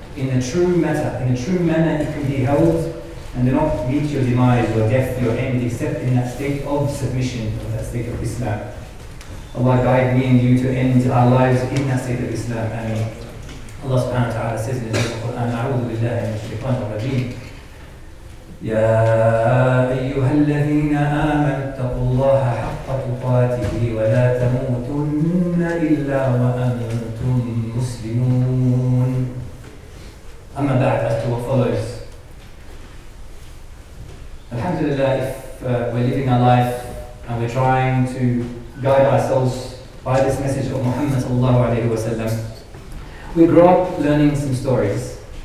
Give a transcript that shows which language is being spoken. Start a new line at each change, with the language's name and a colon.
English: In a true matter, in a true manner, it can be held and do not meet your demise, your death, your end, except in that state of submission, of that state of Islam. Allah guide me and you to end our lives in that state of Islam. Ameen. Allah subhanahu wa ta'ala says in the Quran,
Arabic: أعوذ بالله من الشيطان الرجيم. يا أيها الذين آمنوا اتقوا الله حق تقاته ولا تموتن إلا وأنتم مسلمون. أما بعد,
English: as to what follows. Alhamdulillah, if we're living our life and we're trying to guide ourselves by this message of Muhammad sallallahu alayhi wa sallam, we grow up learning some stories.